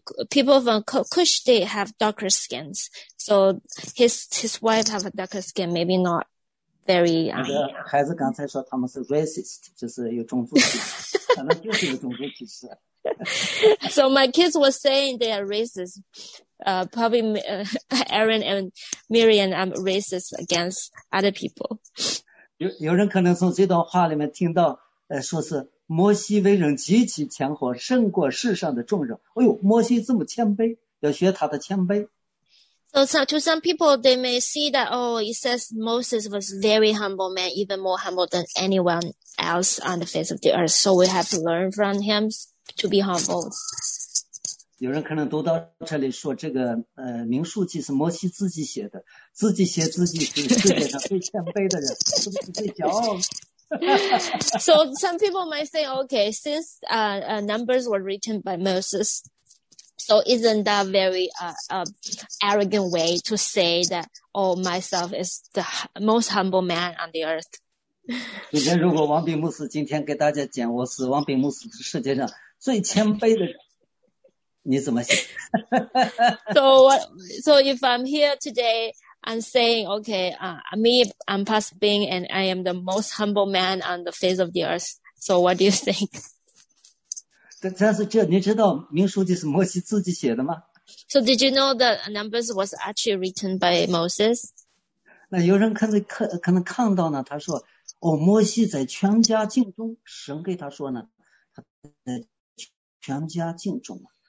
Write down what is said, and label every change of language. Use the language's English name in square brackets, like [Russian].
[English] People from Cush, they have darker skins. So his wife have a darker skin, maybe not very. [Chinese] 孩子刚才说他们是 racist, 就是有种族歧视，可能就是有种族歧视。 [English] So my kids were saying they are racist. Probably Aaron and Miriam are racist against other people. [Chinese] 有人可能从这段话里面听到，说是摩西为人极其谦和，胜过世上的众人。哎呦，摩西这么谦卑，要学他的谦卑。 [English] So to some people, they may see that, oh, it says Moses was very humble man, even more humble than anyone else on the face of the earth. So we have to learn from him to be humble. [Chinese] 有人可能读到这里说这个民数记是摩西自己写的，自己写自己是世界上最谦卑的人，是不是最骄傲？ [English] So some people might say, okay, since Numbers were written by Moses, so isn't that very arrogant way to say that, oh, myself is the most humble man on the earth? [Chinese] 今天如果王炳牧师今天给大家讲，我是王炳牧师是世界上最谦卑的人。你怎么想？ [English] So if I'm here today, I'm saying, okay, me, I'm Pastor Bing, and I am the most humble man on the face of the earth. So what do you think? [Chinese] 但是这你知道民书记是摩西自己写的吗？ [English] So did you know that Numbers was actually written by Moses? [Chinese] 那有人可能看到呢，他说，哦，摩西在全家敬中，神给他说呢，他在全家敬中啊。